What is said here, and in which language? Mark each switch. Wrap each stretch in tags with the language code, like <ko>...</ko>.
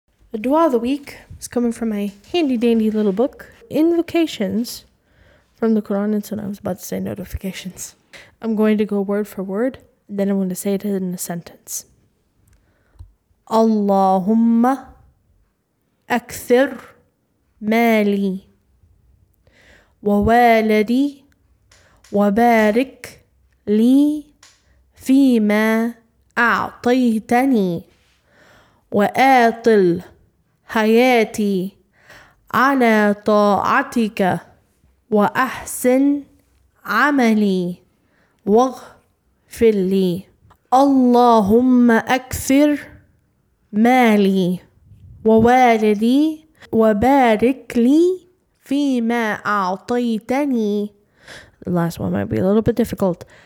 <en>The dua of the week is coming from my handy-dandy little book, Invocations from the Quran and Sunnah. I was about to say notifications. I'm going to go word for word, then I'm going to say it in a sentence.</en> <ar>Allahumma akthir mali wa waladi wa barik li fima a'taytani wa atil حياتي على طاعتك وأحسن عملي واغفر لي اللهم أكثر مالي ووالدي وبارك لي فيما أعطيتني.</ar> <en>The last one might be a little bit difficult.</en>